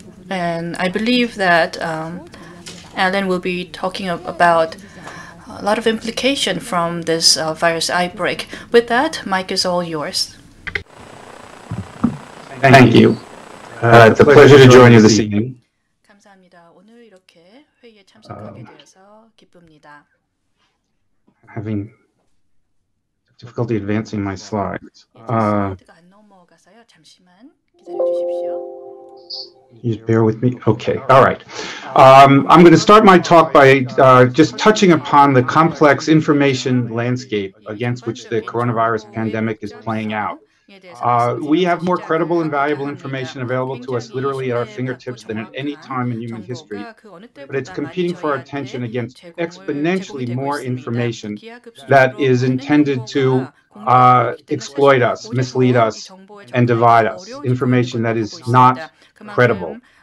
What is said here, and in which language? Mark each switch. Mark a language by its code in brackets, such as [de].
[en] And I believe that Alan will be talking about a lot of implication from this virus outbreak. With that, mic is all yours. Thank you. It's a pleasure to join you this evening. [ko] 감사합니다. 오늘 이렇게 회의에 참석하게 되어서 기쁩니다. [en] Having difficulty advancing my slides. [ko] 슬라이드가 안 넘어가서요. 잠시만 기다려 주십시오. [en] You bear with me? Okay, all right. I'm going to start my talk by just touching upon the complex information landscape against which the coronavirus pandemic is playing out. We have more credible and valuable information available to us literally at our fingertips than at any time in human history, but it's competing for our attention against exponentially more information that is intended to exploit us, mislead us, and divide us, information that is not credible.